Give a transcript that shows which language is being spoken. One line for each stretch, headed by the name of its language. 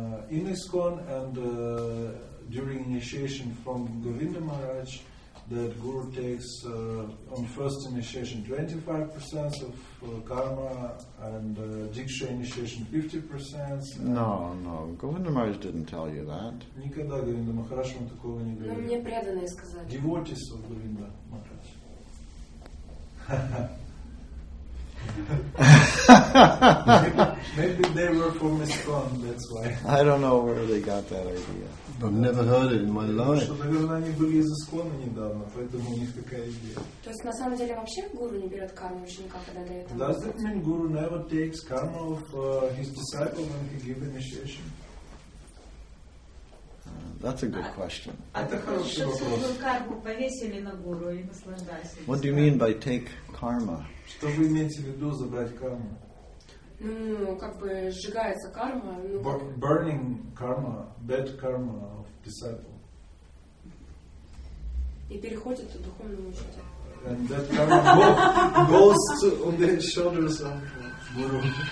English: In Iskon and during initiation from Govinda Maharaj, that guru takes on first initiation 25% of karma and diksha initiation 50%. No. Govinda Maharaj didn't tell you that.
Russian: Никогда Говинда Махарадж вам такого не говорил. Но мне преданные сказали.
English: Devotees of Govinda Maharaj. maybe they were from Iskon, that's why. I don't know where they got that idea. I've never heard it in my life.
Russian: Что, наверное, они были из Искона недавно, поэтому у них такая идея. То есть на самом деле вообще гуру не берет карму ученика, когда дает ему.
English: Does that mean guru never takes karma of his disciple when he gives initiation? That's a good question. What do you mean by take karma?
Russian: Что вы имеете в виду забрать карму? Ну, как бы сжигается карма.
English: Burning karma, bad karma of disciple.
Russian: И переходит к духовному учителю.
English: And that karma goes on the shoulders of guru.